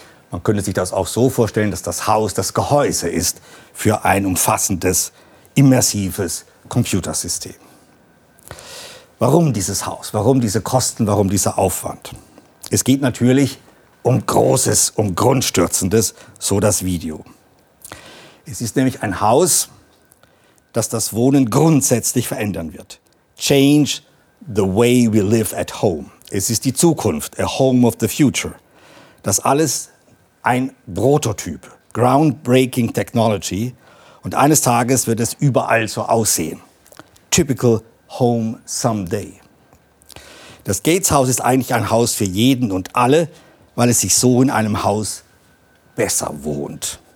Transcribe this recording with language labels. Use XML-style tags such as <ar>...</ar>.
<de>Man könnte sich das auch so vorstellen, dass das Haus das Gehäuse ist für ein umfassendes, immersives Computersystem. Warum dieses Haus? Warum diese Kosten? Warum dieser Aufwand? Es geht natürlich um Großes, um Grundstürzendes, so das Video. Es ist nämlich ein Haus, das das Wohnen grundsätzlich verändern wird.</de> <en>Change the way we live at home.</en> <de>Es ist die Zukunft,</de> <en>a home of the future.</en> <de>Das alles ein Prototyp,</de> <en>groundbreaking technology.</en> <de>Und eines Tages wird es überall so aussehen.</de> <en>Typical home someday.</en> <de>Das Gates-Haus ist eigentlich ein Haus für jeden und alle, weil es sich so in einem Haus besser wohnt.</de>